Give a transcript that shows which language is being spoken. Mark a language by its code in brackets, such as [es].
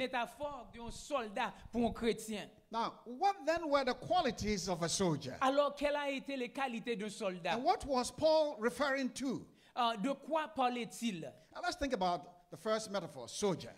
[fr] Il utilise métaphore d'un soldat pour un chrétien. [en] Now, what then were the qualities of a soldier? [fr] Alors, quelles a été les qualités d'un soldat? [en] And what was Paul referring to? [fr] De quoi parlait-il? [en] Now, let's think about the first metaphor, soldier.